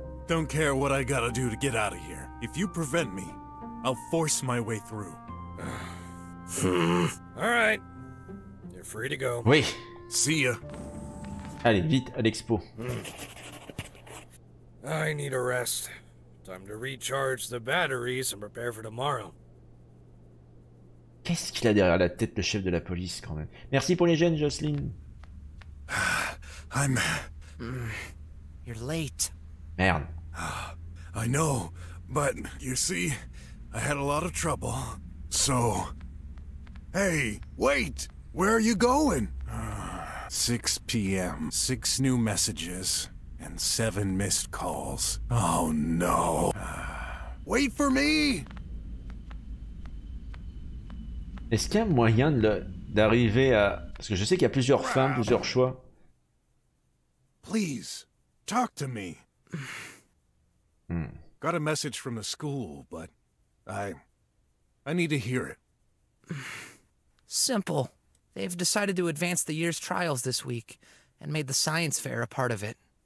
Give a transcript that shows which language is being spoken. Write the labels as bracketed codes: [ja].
[en] Don't care what I gotta do to get out of here. If you prevent me, I'll force my way through. All right. You're free to go. [fr] Oui. [en] See ya. [fr] Allez, vite à l'expo. [en] I need a rest. Time to recharge the batteries and prepare for tomorrow. [fr] Qu'est-ce qu'il a derrière la tête, le chef de la police, quand même? Merci pour les gènes, Jocelyn. [en] I'm... You're late. [fr] Merde. [en] I know, but you see, I had a lot of trouble. So, Hey, wait! Where are you going? 6 p.m. 6 new messages and 7 missed calls. Oh no. Wait for me! [fr] Est-ce qu'il y a moyen d'arriver à... Parce que je sais qu'il y a plusieurs fins, plusieurs choix. [en] Please, talk to me. Got a message from the school, but I need to hear it. Simple. They've decided to advance the year's trials this week and made the science fair a part of it.